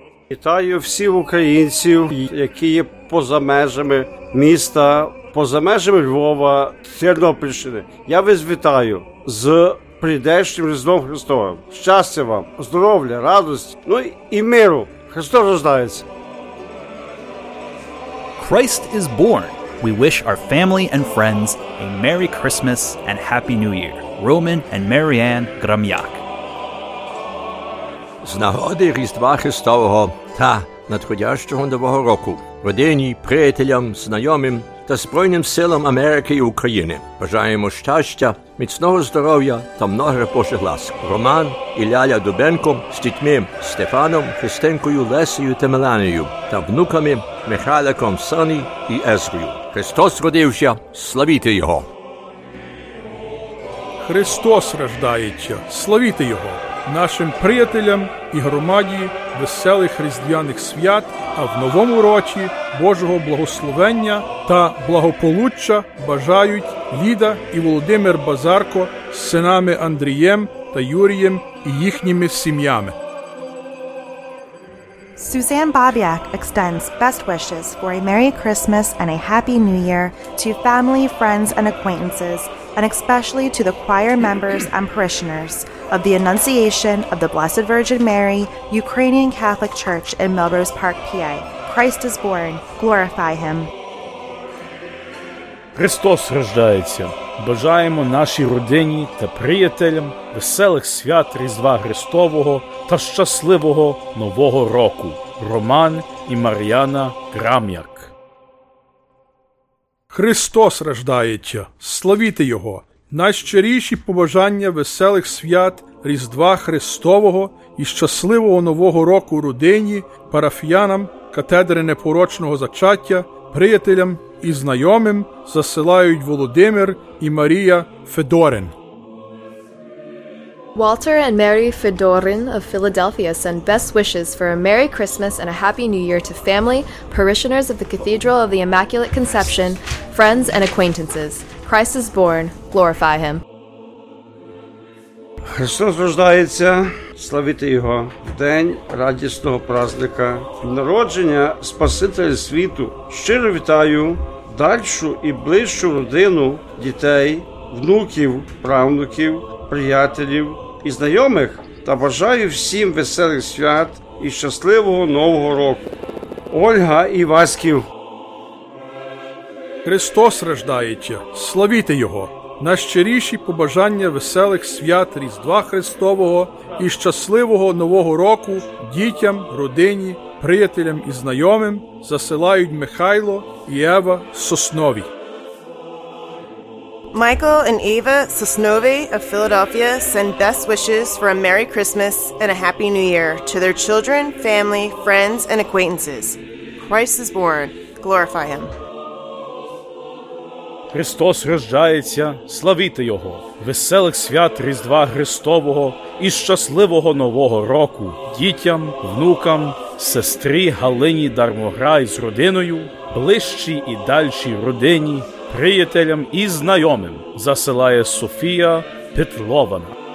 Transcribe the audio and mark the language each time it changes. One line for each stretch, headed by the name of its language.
Ukrainian: Вітаю всіх українців, які є поза межами міста, поза межами Львова, Тернопільщини. Я вас вітаю з прийдешнім Різдвом Христовим. Щастя вам, здоров'я, радості, ну і миру. Христос рождається.
English: Christ is born. We wish our family and friends a Merry Christmas and Happy New Year. Roman and Marianne Gramyak.
Ukrainian: З нагоди Різдва Христового та надходящого Нового року родині, приятелям, знайомим та Збройним силам Америки і України бажаємо щастя, міцного здоров'я та многих Божих ласк. Роман і Ляля Дубенко з дітьми Стефаном, Христинкою, Лесею та Меланією та внуками Михайликом Сані і Езрою. Христос родився, славіте Його! Христос рождається, славіте Його! Нашим приятелям і громаді веселих різдвяних свят, а в Новому році Божого благословення та благополуччя бажають Ліда і Володимир Базарко з синами Андрієм та Юрієм і їхніми сім'ями.
English: Susan Babiak extends best wishes for a Merry Christmas and a Happy New Year to family, friends, and acquaintances, and especially to the choir members and parishioners of the Annunciation of the Blessed Virgin Mary, Ukrainian Catholic Church in Melrose Park, PA. Christ is born. Glorify Him.
Ukrainian: Христос рождається. Бажаємо нашій родині та приятелям веселих свят Різдва Христового та щасливого Нового року. Роман і Мар'яна Крам'як. Христос рождається! Славіте Його! Найщиріші побажання веселих свят Різдва Христового і щасливого Нового року родині, парафіянам катедри непорочного зачаття, приятелям і знайомим засилають Володимир і Марія Федорин.
English: Walter and Mary Fedorin of Philadelphia send best wishes for a Merry Christmas and a Happy New Year to family, parishioners of the Cathedral of the Immaculate Conception, friends and acquaintances. Christ is born. Glorify Him.
Ukrainian: Христос рождається, славіте Його, день радісного праздника, народження Спасителя світу. Щиро вітаю дальшу і ближчу родину дітей, внуків, правнуків, приятелів і знайомих та бажаю всім веселих свят і щасливого Нового року. Ольга Івасків. Христос рождається, славіте Його! Найщиріші побажання веселих свят Різдва Христового і щасливого Нового року дітям, родині, приятелям і знайомим засилають Михайло і Ева Соснові.
English: Michael and Ava Sosnovi of Philadelphia send best wishes for a Merry Christmas and a Happy New Year to their children, family, friends, and acquaintances. Christ is born. Glorify Him.
Ukrainian: Христос рождається, славіте Його! Веселих свят Різдва Христового і щасливого Нового року дітям, внукам, сестрі Галині Дармограй з родиною, ближчій і дальшій родині, приятелям і знайомим, засилає Софія Петлована.